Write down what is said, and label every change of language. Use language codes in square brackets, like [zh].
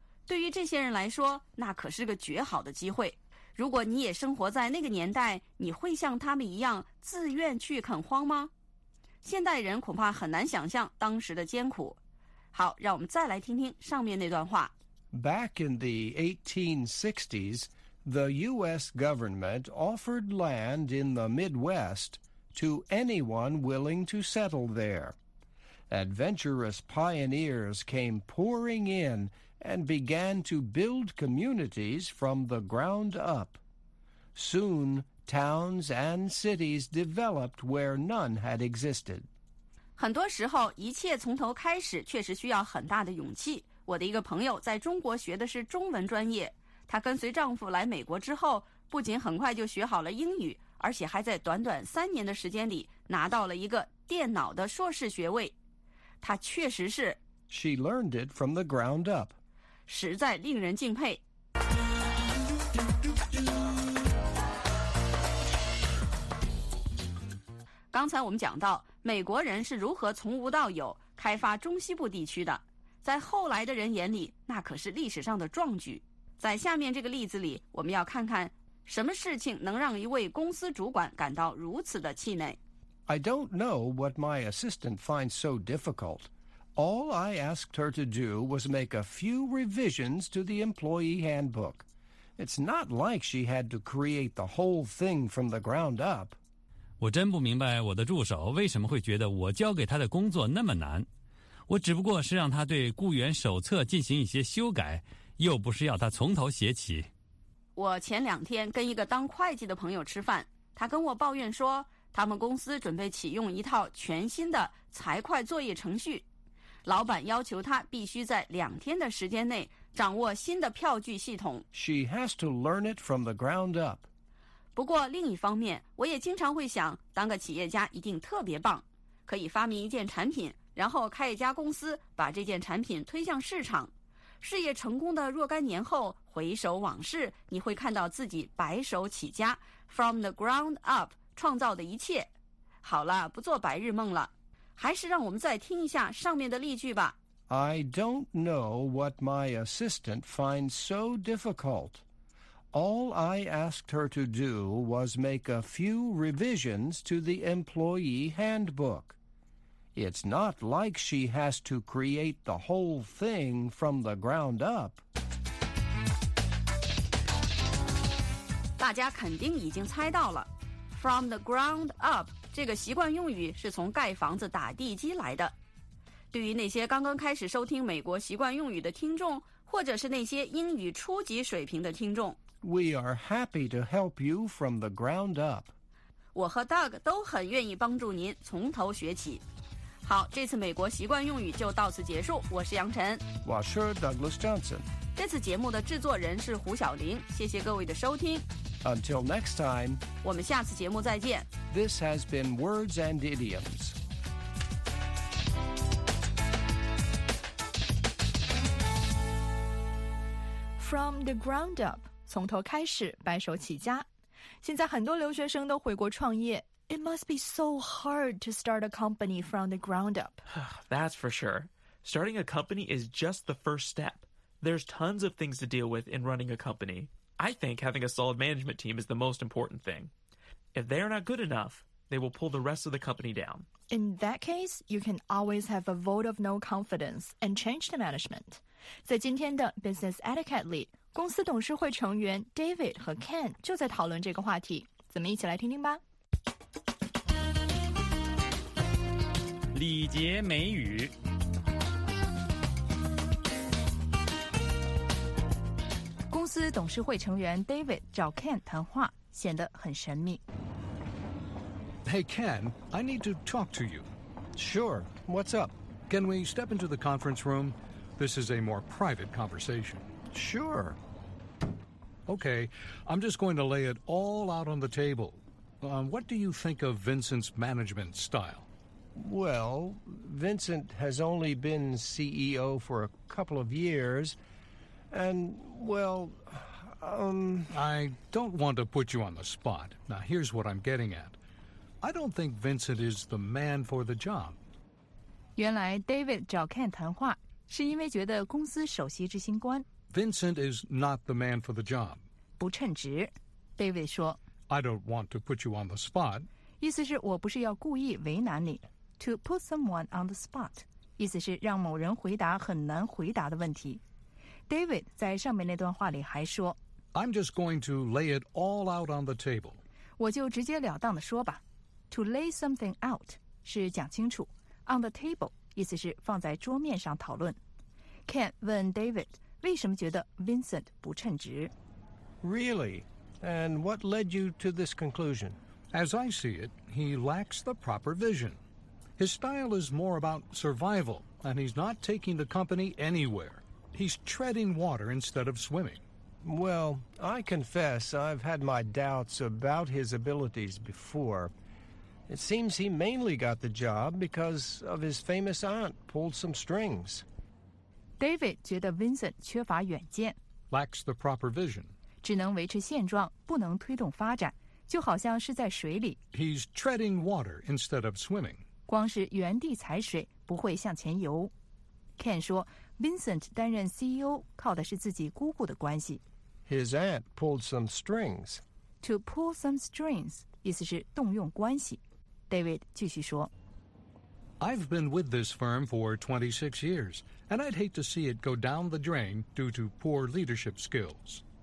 [zh] 对于这些人来说，那可是个绝好的机会。如果你也生活在那个年代，你会像他们一样自愿去垦荒吗？现代人恐怕很难想象当时的艰苦。好，让我们再来听听上面那段话。 [en] Back in the 1860s, the U.S. government offered land in the Midwest to anyone willing to settle there. Adventurous pioneers came pouring in and began to build communities from the ground up. Soon, towns and cities developed where none had existed. [zh] 很多时候一切从头开始确实需要很大的勇气。我的一个朋友在中国学的是中文专业，她跟随丈夫来美国之后，不仅很快就学好了英语，而且还在短短三年的时间里拿到了一个电脑的硕士学位。她确实是 [en] She learned it from the ground up. [zh] 实在令人敬佩。刚才我们讲到美国人是如何从无到有开发中西部地区的，在后来的人眼里，那可是历史上的壮举。在下面这个例子里，我们要看看什么事情能让一位公司主管感到如此的气馁。 [en] I don't know what my assistant finds so difficult. All I asked her to do was make a few revisions to the employee handbook. It's not like she had to create the whole thing from the ground up. [zh] 我真不明白我的助手为什么会觉得我交给他的工作那么难。我只不过是让他对雇员手册进行一些修改，又不是要他从头写起。我前两天跟一个当会计的朋友吃饭，他跟我抱怨说，他们公司准备启用一套全新的财会作业程序，老板要求他必须在两天的时间内掌握新的票据系统。 [en] She has to learn it from the ground up. [zh] 不过另一方面，我也经常会想，当个企业家一定特别棒，可以发明一件产品，然后开一家公司，把这件产品推向市场。事业成功的若干年后，回首往事，你会看到自己白手起家 ， [en] from the ground up [zh] 创造的一切。好了，不做白日梦了，还是让我们再听一下上面的例句吧。 [en] I don't know what my assistant finds so difficult. All I asked her to do was make a few revisions to the employee handbook. It's not like she has to create the whole thing from the ground up. [zh] 大家肯定已经猜到了 , [en] from the ground up [zh] 这个习惯用语是从盖房子打地基来的。对于那些刚刚开始收听美国习惯用语的听众，或者是那些英语初级水平的听众 [en] ，We are happy to help you from the ground up。 [zh] 我和 Doug 都很愿意帮助您从头学起。好，这次美国习惯用语就到此结束。我是杨晨，我是 Douglas Johnson。这次节目的制作人是胡晓玲，谢谢各位的收听。 [en] Until next time， [zh] 我们下次节目再见。 [en] This has been Words and Idioms。 From the ground up, [zh] 从头开始，白手起家。现在很多留学生都回国创业。 [en] It must be so hard to start a company from the ground up. That's for sure. Starting a company is just the first step. There's tons of things to deal with in running a company. I think having a solid management team is the most important thing. If they are not good enough, they will pull the rest of the company down. In that case, you can always have a vote of no confidence and change the management. [zh] 在今天的 Business Etiquette 里，公司董事会成员 David 和 Ken 就在讨论这个话题，咱们一起来听听吧。礼节美语。公司董事会成员 David 找 Ken 谈话，显得很神秘。 [en] Hey Ken, I need to talk to you. Sure, what's up? Can we step into the conference room? This is a more private conversation. Sure. Okay, I'm just going to lay it all out on the table. What do you think of Vincent's management style? Well, Vincent has only been CEO for a couple of years, and, well, I don't want to put you on the spot. Now, here's what I'm getting at. I don't think Vincent is the man for the job. [zh] 原来 David 找 Ken 谈话是因为觉得公司首席执行官 [en] Vincent is not the man for the job. [zh] 不称职 David 说 [en] I don't want to put you on the spot. [zh] 意思是我不是要故意为难你 [en] To put someone on the spot. [zh] 意思是让某人回答很难回答的问题 David 在上面那段话里还说 [en] I'm just going to lay it all out on the table. [zh] 我就直截了当地说吧 [en] To lay something out [zh] 是讲清楚 [en] On the table [zh] 意思是放在桌面上讨论。 Ken 问 David 为什么觉得 Vincent 不称职。 [en] Really? And what led you to this conclusion? As I see it, he lacks the proper vision. His style is more about survival, and he's not taking the company anywhere. He's treading water instead of swimming. Well, I confess I've had my doubts about his abilities before. It seems he mainly got the job because of his famous aunt pulled some strings. [zh] David 觉得 Vincent 缺乏远见 [en] lacks the proper vision. [zh] 只能维持现状，不能推动发展，就好像是在水里。 [en] He's treading water instead of swimming. [zh] 光是原地踩水，不会向前游。Ken 说 ，Vincent 担任 CEO 靠的是自己姑姑的关系。 [en] His aunt pulled some strings. To pull some strings. [zh] 意思是动用关系。David 继续说 [en] I've been with this firm for 26 years, and I'd hate to see it go down the drain due to poor leadership skills.